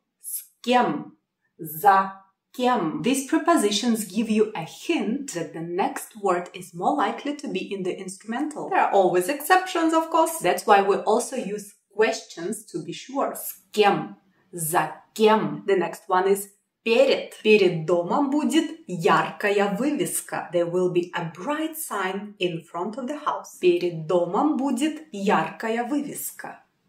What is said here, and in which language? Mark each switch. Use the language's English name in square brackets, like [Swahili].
[Russian] С кем? За кем? [English] These prepositions give you a hint that the next word is more likely to be in the instrumental. There are always exceptions, of course. That's why we also use questions to be sure. [Russian] С кем? За кем? [English] The next one is перед. [Russian] Перед домом будет яркая вывеска. [English] There will be a bright sign in front of the house. [Russian] Перед домом будет яркая вывеска.